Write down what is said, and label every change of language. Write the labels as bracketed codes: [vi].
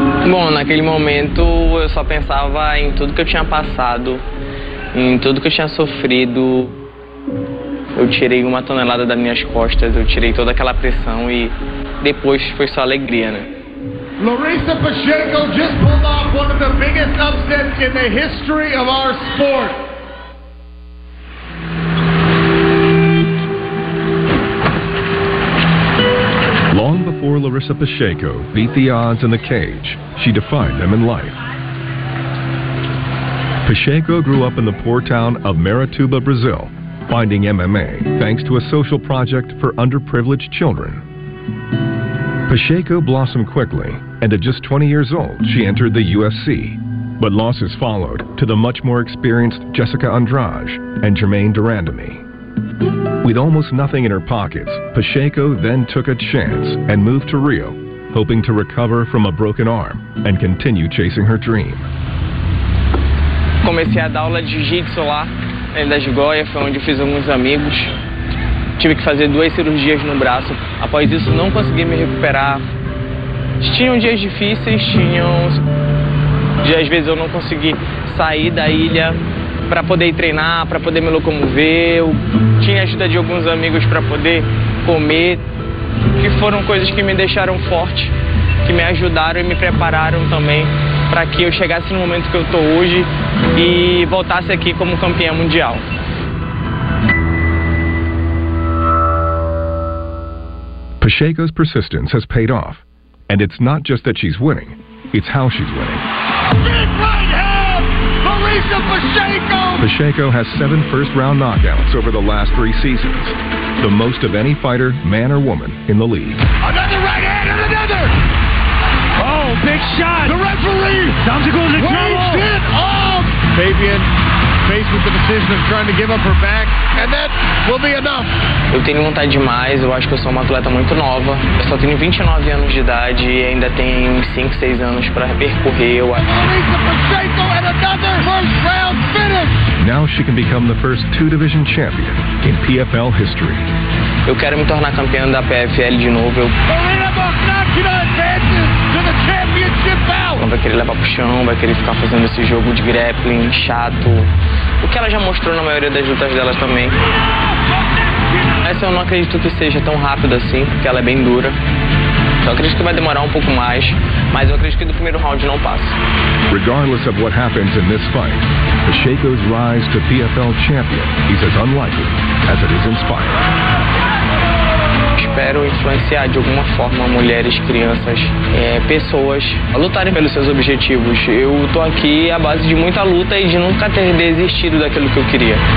[pt] Bom, naquele momento eu só pensava em tudo que eu tinha passado, em tudo que eu tinha sofrido. Eu tirei uma tonelada das minhas costas, eu tirei toda aquela pressão e depois foi só alegria, né? [en] Larissa Pacheco just pulled off one of the biggest upsets in the history of our sport. Long before Larissa Pacheco beat the odds in the cage, she defied them in life. Pacheco grew up in the poor town of Marituba, Brazil, finding MMA thanks to a social project for underprivileged children. Pacheco blossomed quickly, and at just 20 years old, she entered the UFC. But losses followed to the much more experienced Jessica Andrade and Jermaine Durandamy. With almost nothing in her pockets, Pacheco then took a chance and moved to Rio, hoping to recover from a broken arm and continue chasing her dream. [pt] Comecei a dar aula de jiu-jitsu lá, ainda de Goiânia, foi onde eu fiz alguns amigos. Tive que fazer duas cirurgias no braço. Após isso, não consegui me recuperar. tinham dias difíceis, tinham dias, às vezes, eu não consegui sair da ilha para poder ir treinar, para poder me locomover. Eu tinha ajuda de alguns amigos para poder comer, que foram coisas que me deixaram forte, que me ajudaram e me prepararam também para que eu chegasse no momento que eu estou hoje e voltasse aqui como campeã mundial. [en] Pacheco's persistence has paid off, and it's not just that she's winning, it's how she's winning. Big right hand, Marisa Pacheco! Pacheco has 7 first-round knockouts over the last 3 seasons, the most of any fighter, man or woman, in the league. Another right hand and another! Oh, big shot! The referee! Time to go to the it off! Fabian faced with the decision of trying to give up her back, and that will be enough. [pt] Eu tenho vontade demais, eu acho que eu sou uma atleta muito nova. Eu só tenho 29 anos de idade e ainda tenho 5, 6 anos para percorrer. Eu acho. [en] Marisa Pacheco and another first round finish! Now she can become the first 2-division champion in PFL history. [pt] Eu quero me tornar campeã da PFL de novo. [en] Marina Bognacchina advances to the championship bout! [pt] Não vai querer levar pro chão, vai querer ficar fazendo esse jogo de grappling chato. O que ela já mostrou na maioria das lutas delas também. Mas eu não acredito que seja tão rápido assim, porque ela é bem dura. Eu acredito que vai demorar um pouco mais, mas eu acredito que do primeiro round não passa. [en] Regardless of what happens in this fight, Pacheco's rise to PFL champion is as unlikely as it is inspiring. [pt] Espero influenciar de alguma forma mulheres, crianças, pessoas a lutarem pelos seus objetivos. Eu tô aqui à base de muita luta e de nunca ter desistido daquilo que eu queria.